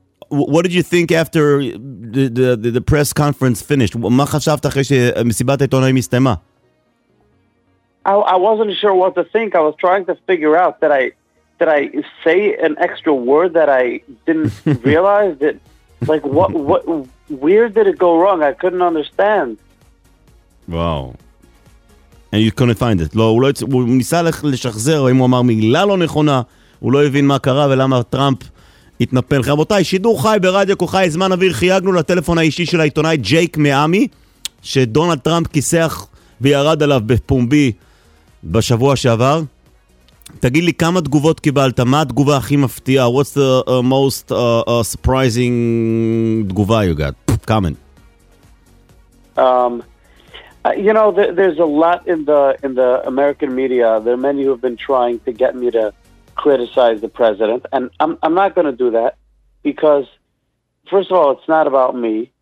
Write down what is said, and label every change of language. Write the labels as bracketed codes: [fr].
[en] what did you think after the press conference finished? [he] מה חשבת אחרי שמסיבת העיתונאים הסתיימה? [en] I wasn't sure what to think. I was trying to figure out that I say an extra word that I didn't realize that like what where did it go wrong? I couldn't understand. Wow. And you couldn't find it. [he] לא, הוא לא הוא ניסה לשחזר, אם הוא אמר מילה לא נכונה, הוא לא הבין מה קרה ולמה טראמפ התנפל. רבותיי, שידור חי ברדיו כוחי, זמן אוויר, חייגנו לטלפון האישי של העיתונאי ג'ייק מאמי, שדונלד טראמפ כיסח וירד עליו בפומבי בשבוע שעבר. תגיד לי כמה תגובות קיבלת, מה התגובה הכי מפתיעה? [en] What's the most surprising תגובה you got? Comment. You know, there's a lot in the American media. There are many who have been trying to get me to criticize the president, and I'm not going to do that because, first of all, it's not about me.